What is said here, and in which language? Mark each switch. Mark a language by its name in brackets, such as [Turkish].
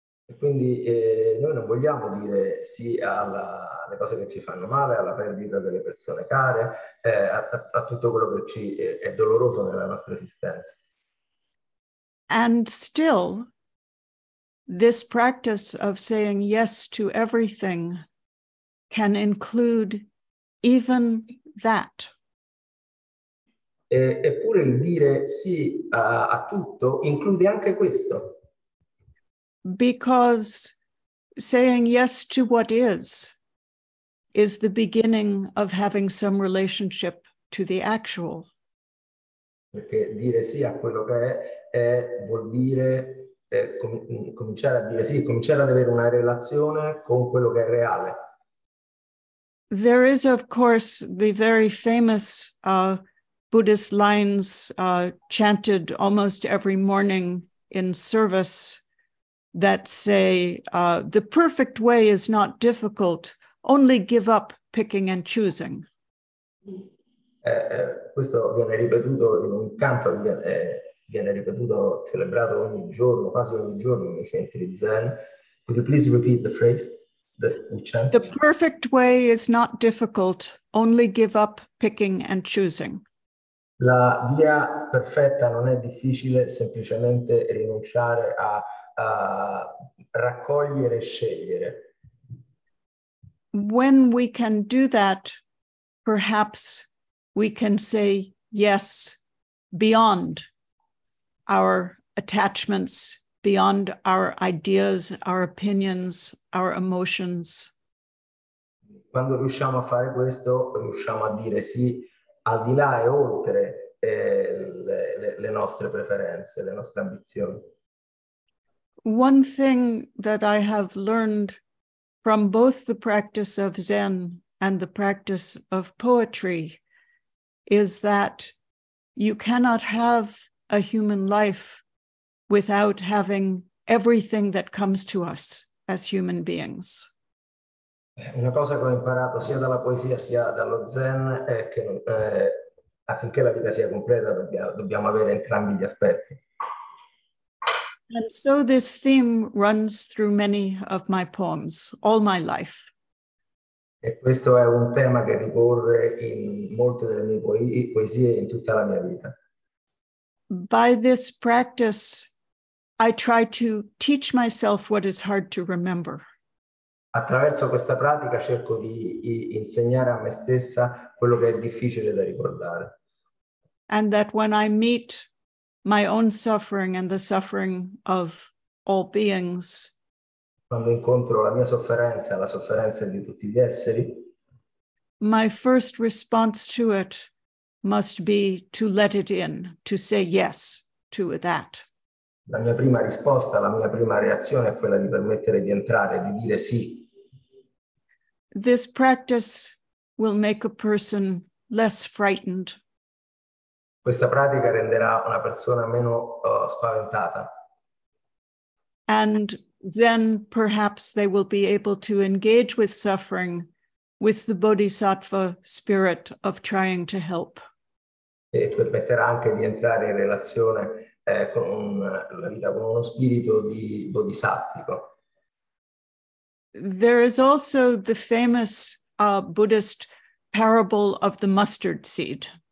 [Italian] E quindi noi non vogliamo dire sì alle cose che ci fanno male, alla perdita delle persone care, a tutto quello che ci è doloroso nella nostra esistenza. [English] And still, this practice of saying yes to everything can include even that. [Italian] Eppure il dire sì a tutto include anche questo. [English] Because saying yes to what is the beginning of having some relationship to the actual. [Italian] Perché dire sì a quello che è vuol dire cominciare a dire sì, cominciare ad avere una relazione con quello che è reale. [English] There is of course the very famous Buddhist lines chanted almost every morning in service that say, the perfect way is not difficult, only give up picking and choosing. [Italian] Questo viene ripetuto in un canto, viene ripetuto, celebrato ogni giorno, quasi ogni giorno nei centri Zen. [English] Could you please repeat the phrase that we chant? The perfect way is not difficult, only give up picking and choosing. [Italian] La via perfetta non è difficile, semplicemente rinunciare a raccogliere e scegliere. [English] When we can do that, perhaps we can say yes beyond our attachments, beyond our ideas, our opinions, our emotions. [Italian] Quando riusciamo a fare questo, riusciamo a dire sì al di là e oltre le nostre preferenze, le nostre ambizioni. [English] One thing that I have learned from both the practice of Zen and the practice of poetry is that you cannot have a human life without having everything that comes to us as human beings. [Italian] Una cosa che ho imparato sia dalla poesia sia dallo Zen è che affinché la vita sia completa dobbiamo avere entrambi gli aspetti. [English] And so this theme runs through many of my poems, all my life. [Italian] E questo è un tema che ricorre in molte delle mie poesie in tutta la mia vita. [English] By this practice, I try to teach myself what is hard to remember. [Italian] Attraverso questa pratica cerco di insegnare a me stessa quello che è difficile da ricordare. [English] And that when I meet my own suffering and the suffering of all beings, [Italian] quando incontro la mia sofferenza, la sofferenza di tutti gli esseri, [English] my first response to it must be to let it in, to say yes to that. [Italian] La mia prima risposta, la mia prima reazione è quella di permettere di entrare, di dire sì. [English] This practice will make a person less frightened. [Italian] Questa pratica renderà una persona meno spaventata. [English] And then perhaps they will be able to engage with suffering with the bodhisattva spirit of trying to help. [Italian] E permetterà anche di entrare in relazione con la vita con uno spirito di bodhisattvico. [English] There is also the famous Buddhist parable of the mustard seed.